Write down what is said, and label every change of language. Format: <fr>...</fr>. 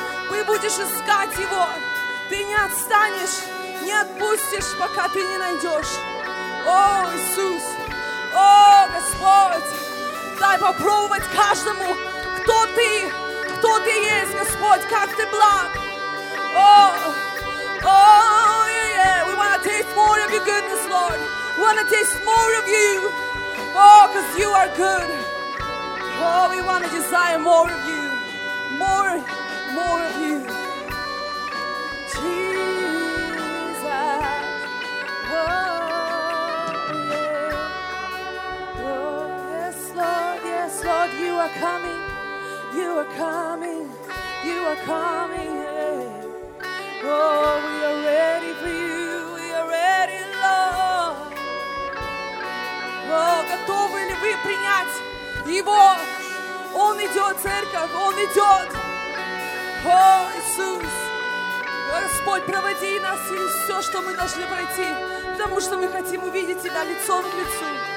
<ru>Ты будешь искать Его. Ты не отстанешь, не отпустишь, пока ты не найдешь. О, Иисус! О, Господь! Дай попробовать каждому. Кто ты есть, Господь, как ты благ. Oh, oh, yeah, yeah.</ru> <en>We want to taste more of your goodness, Lord. We want to taste more of you. Oh, because you are good. Oh, we want to desire more of you. More, more of you. Jesus. Oh, yeah. Oh, yes, Lord, you are coming. You are coming, you are coming, yeah. Oh, we are ready for you, we are ready, Lord.</en> <ru>Oh, готовы ли вы принять Его? Он идет, церковь, Он идет. О, Иисус, о, Господь, проводи нас и все, что мы должны пройти, потому что мы хотим увидеть Тебя лицом к лицу.</ru>